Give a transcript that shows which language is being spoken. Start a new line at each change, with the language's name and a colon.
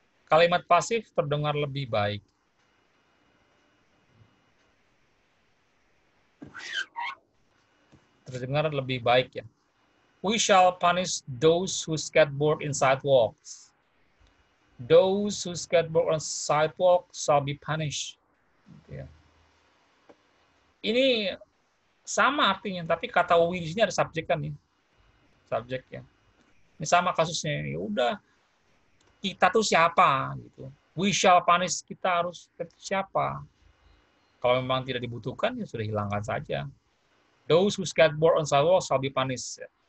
Indonesian: Kalimat pasif terdengar lebih baik. terdengar lebih baik ya.
English: We shall punish those who skateboard in sidewalks. Those who skateboard on sidewalk shall be punished.
Indonesian: Gitu ya. Ini sama artinya, tapi kata we di sini ada subjek kan nih. Subjek ya. Ini sama kasusnya. Ya udah, kita tuh siapa gitu.
English: We shall punish,
Indonesian: kita harus siapa. Kalau memang tidak dibutuhkan, ya sudah hilangkan saja.
English: Those who skateboard on sidewalk shall be punished.